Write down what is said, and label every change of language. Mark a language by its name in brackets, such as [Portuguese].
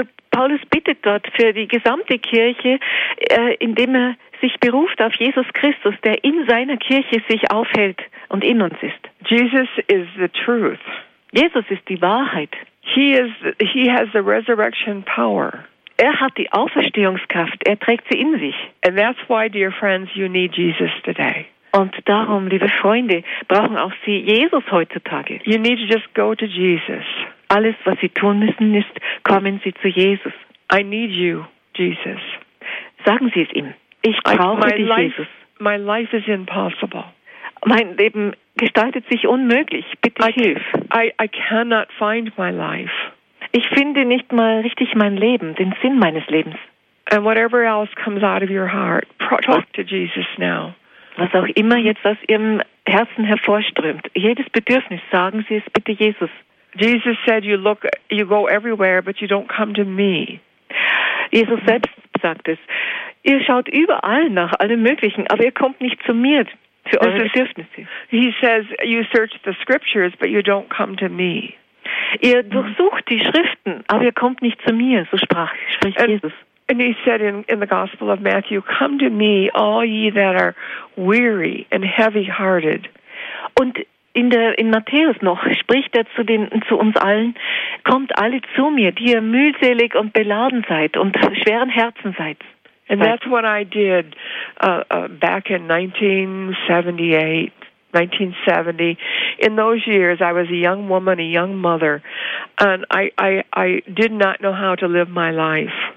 [German] Paulus bittet dort für die gesamte Kirche, indem er sich beruft auf Jesus Christus, der in seiner Kirche sich aufhält und in uns ist. [English] Jesus is the truth. [German] Jesus ist die Wahrheit. [English] He has the resurrection power. [German] Er hat die Auferstehungskraft. Er trägt sie in sich. [English] And that's why, dear friends, you need Jesus today. [German] Und darum, liebe Freunde, brauchen auch Sie Jesus heutzutage. [English] You need to just go to Jesus. [German] Alles, was Sie tun müssen, ist, kommen Sie zu Jesus. [English] I need you, Jesus. [German] Sagen Sie es ihm. Ich brauche dich, Jesus. [English] My life is impossible. [German] Mein Leben gestaltet sich unmöglich. Bitte hilf. [English] I cannot find my life. [German] Ich finde nicht mal richtig mein Leben, den Sinn meines Lebens. [English] And whatever else comes out of your heart, talk to Jesus now. [German] Was auch immer jetzt aus Ihrem Herzen hervorströmt, jedes Bedürfnis, sagen Sie es bitte Jesus. [English] Jesus said, you go everywhere, but you don't come to me. [German] Jesus selbst sagt es. Ihr schaut überall nach allem Möglichen, aber ihr kommt nicht zu mir für eure Bedürfnisse. [English] He says, you search the scriptures, but you don't come to me. [German] Ihr durchsucht die Schriften, aber ihr kommt nicht zu mir, so spricht Jesus. [English] And he said in the Gospel of Matthew, come to me, all ye that are weary and heavy hearted. [German] Und in Matthäus noch spricht er zu uns allen, kommt alle zu mir, die ihr mühselig und beladen seid und schweren Herzen seid. [English] And that's what I did back in 1970. In those years, I was a young woman, a young mother, and I did not know how to live my life.